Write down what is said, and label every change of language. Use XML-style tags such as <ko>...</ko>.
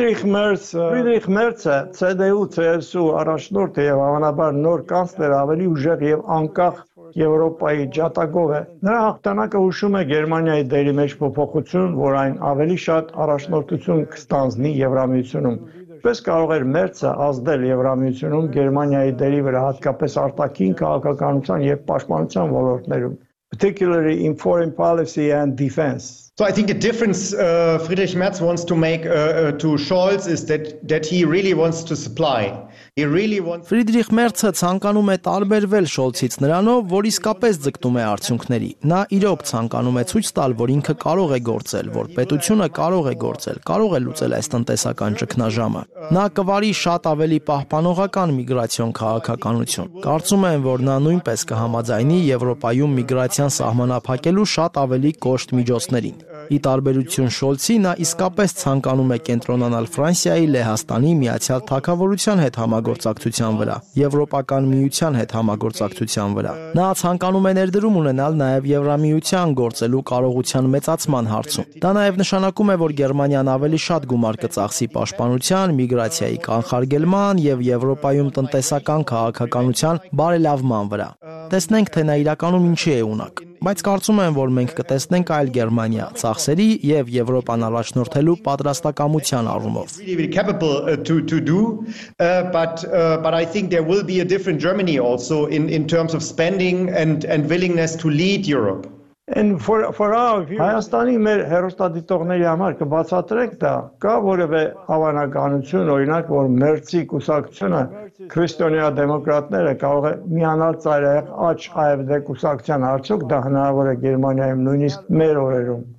<hy>Ֆրիդրիխ Մերցը CDU-CSU առաջնորդը եւ հավանաբար նոր կանցլեր, ավելի ուժեղ եւ անկախ Եվրոպայի ջատագով է։ Նրա հաղթանակը հուշում է Գերմանիայի դերի մեջ փոփոխություն, որ այն ավելի շատ առաջնորդություն կստանձնի Եվրամիությունում։ Ինչպես կարող էր Մերցը ազդել Եվրամիությունում Գերմանիայի դերի վրա, հատկապես արտաքին քաղաքականության եւ պաշտպանության ոլորտներում,</hy> <en>particularly in foreign policy and defense. So I think a difference Friedrich Merz wants to make to Scholz is that he really wants to supply. He really wants</en> <hy>Friedrich Merz-ը ցանկանում է տարբերվել Scholz-ից նրանով, որ իսկապես ձգտում է արդյունքների։ Նա իրոք ցանկանում է ցույց տալ, որ ինքը կարող է գործել, որ պետությունը կարող է գործել, կարող է լուծել այս տնտեսական ճգնաժամը։ Նա կվարի շատ ավելի պահպանողական միգրացիոն քաղաքականություն։ Կարծում եմ, որ նա նույնպես կհամաձայնի Եվրոպայում միգրացիան սահմանափակելու շատ ավելի կոշտ միջոցների։ Ի տարբերություն Շոլցի, նա իսկապես ցանկանում է կենտրոնանալ Ֆրանսիայի, Լեհաստանի, Միացյալ Թագավորության հետ համագործակցության վրա, Եվրոպական Միության հետ համագործակցության վրա։ Նա ցանկանում է ներդրում ունենալ նաև Եվրամիության գործելու կարողության մեծացման հարցում։ Դա նաև նշանակում է, որ Գերմանիան ավելի շատ գումար կծախսի պաշտպանության, միգրացիայի կանխարգելման եւ Եվրոպայում տնտեսական քաղաքականության բարելավման վրա։ Տեսնենք, թե նա իրականում ինչի է ունակ։ Բայց կարծում եմ, որ մենք կտեսնենք այլ Գերմանիա ծախսերի եւ Եվրոպան առաջնորդելու պատրաստակամության առումով։</hy> <en>But I think there will be a different Germany also in terms of spending and willingness to lead Europe. And for our</en> <hy>Հայաստանի մեր հերոստատիտողների համար կբացատրենք դա, կա որևէ հավանականություն, օրինակ, որ Մերցի կուսակցությունը քրիստոնյա դեմոկրատները կարող է միանալ ծայրահեղ աչ AfD կուսակցության, արդյոք դա հնարավոր է Գերմանիայում նույնիսկ մեր օրերում?</hy>